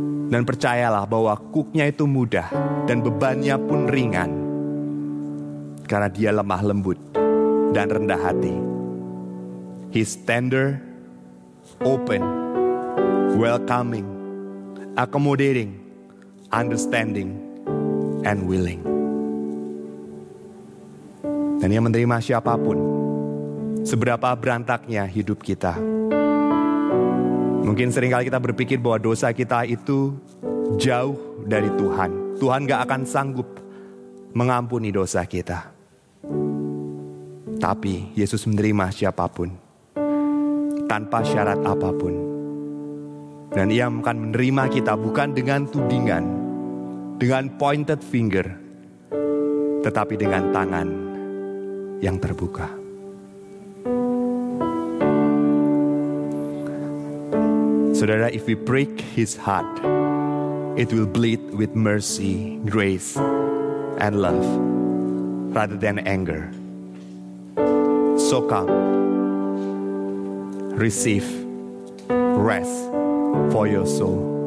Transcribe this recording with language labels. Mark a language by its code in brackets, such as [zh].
[id] Dan percayalah bahwa kuknya itu mudah dan bebannya pun ringan. Karena dia lemah lembut dan rendah hati. [en] He's tender, open, welcoming, accommodating, understanding, and willing. [id] Dan ia menerima siapapun, seberapa berantaknya hidup kita. Mungkin seringkali kita berpikir bahwa dosa kita itu jauh dari Tuhan. Tuhan gak akan sanggup mengampuni dosa kita. Tapi Yesus menerima siapapun. Tanpa syarat apapun. Dan ia akan menerima kita bukan dengan tudingan. Dengan [en] pointed finger. [id] Tetapi dengan tangan yang terbuka. Saudara, [en] if we break his heart, it will bleed with mercy, grace, and love, rather than anger. So come, receive rest for your soul.